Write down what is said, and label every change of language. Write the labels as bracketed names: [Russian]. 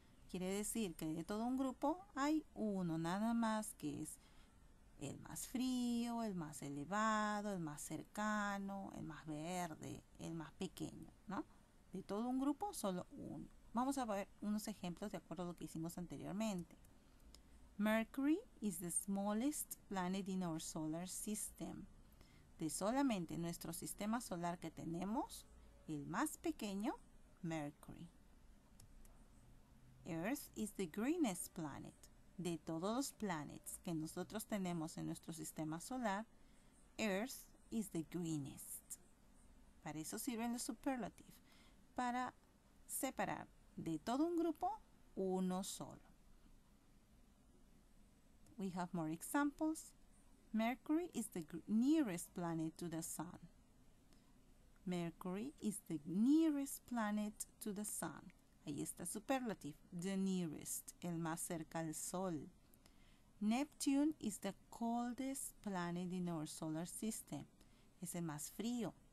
[Spanish] Quiere decir que de todo un grupo hay uno nada más que es el más frío, el más elevado, el más cercano, el más verde, el más pequeño, ¿no? De todo un grupo, solo uno. Vamos a ver unos ejemplos de acuerdo a lo que hicimos anteriormente. [English] Mercury is the smallest planet in our solar system. [Spanish] De solamente nuestro sistema solar que tenemos, el más pequeño, Mercury. [English] Earth is the greenest planet. [Spanish] De todos los planetas que nosotros tenemos en nuestro sistema solar, [English] Earth is the greenest. [Spanish] Para eso sirven los superlatives, para separar de todo un grupo, uno solo. [English] We have more examples. Mercury is the nearest planet to the sun. Mercury is the nearest planet to the sun. [Spanish] Ahí está superlative, the nearest, el más cerca al sol. [English] Neptune is the coldest planet in our solar system. [Spanish] Es el más frío.